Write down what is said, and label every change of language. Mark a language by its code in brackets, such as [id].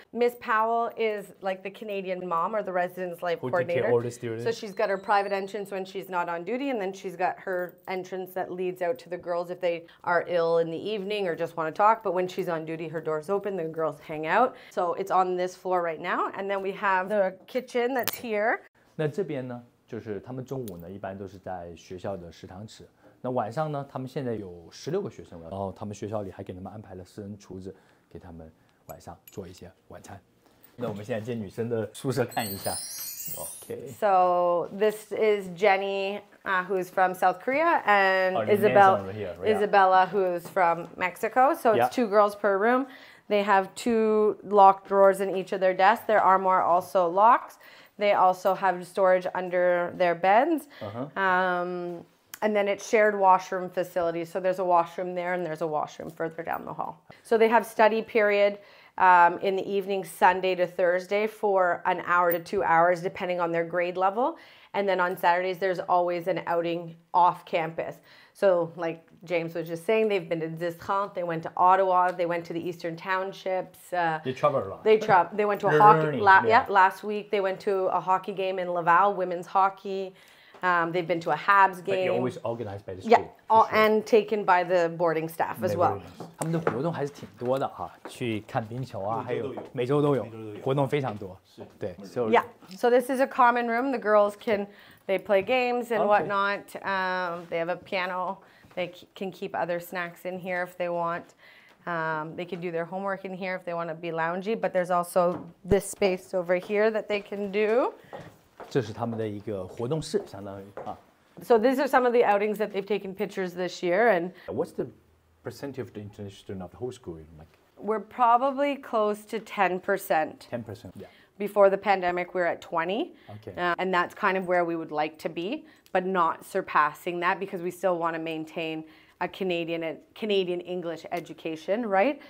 [en] Miss Powell is like the Canadian mom or the residence life coordinator. Take care of the students. So she's got her private entrance when she's not on duty, and then she's got her entrance that leads out to the girls if they are ill in the evening or just want to talk. But when she's on duty, her door's open, the girls hang out. So it's on this floor right now. And then we have the kitchen that's here. [zh] 那这边呢, 就是他们中午呢, 一般都是在学校的食堂吃。那晚上呢, 他们现在有16个学生, 然后他们学校里还给他们安排了4人厨子, 给他们晚上做一些晚餐。那我们现在进女生的宿舍看一下。 [en] Okay. So this is Jenny, who's from South Korea, and Isabella, who's from Mexico. So it's 2 girls per room. They have 2 locked drawers in each of their desks. Their armoire also locks. They also have storage under their beds. Uh-huh. And then it's shared washroom facilities. So there's a washroom there and there's a washroom further down the hall. So they have study period in the evening, Sunday to Thursday, for an hour to 2 hours, depending on their grade level. And then on Saturdays, there's always an outing off campus. So like James was just saying, they've been to Zistran, they went to Ottawa, they went to the Eastern Townships. They travel a lot. They went to a hockey, last week they went to a hockey game in Laval, women's hockey. They've been to a Habs game. But you're always organized by the school. And taken by the boarding staff as well. [zh] 他们的活动还是挺多的哈，去看冰球啊，还有每周都有，活动非常多。是，对。 [en] Yeah, so this is a common room. The girls can, they play games and whatnot. They have a piano. They can keep other snacks in here if they want. They can do their homework in here if they want to be loungy. But there's also this space over here that they can do. [zh] 这是他们的一个活动室，相当于啊。 [en] So these are some of the outings that they've taken pictures this year, and what's the percentage of the international student of the whole school? Like, we're probably close to 10%. 10%, yeah. Before the pandemic, we were at 20. Okay. And that's kind of where we would like to be, but not surpassing that because we still want to maintain a Canadian English education, right?